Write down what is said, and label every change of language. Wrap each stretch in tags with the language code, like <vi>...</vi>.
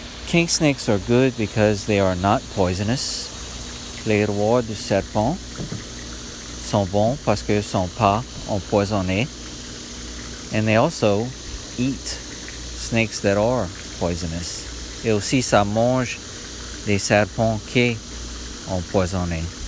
<en>King snakes are good because they are not poisonous.</en> <fr>Les rois du serpent sont bons parce qu'ils ne sont pas empoisonnés.</fr> <en>And they also eat snakes that are poisonous.</en> <fr>Et aussi ça mange des serpents qui sont empoisonnés.</fr>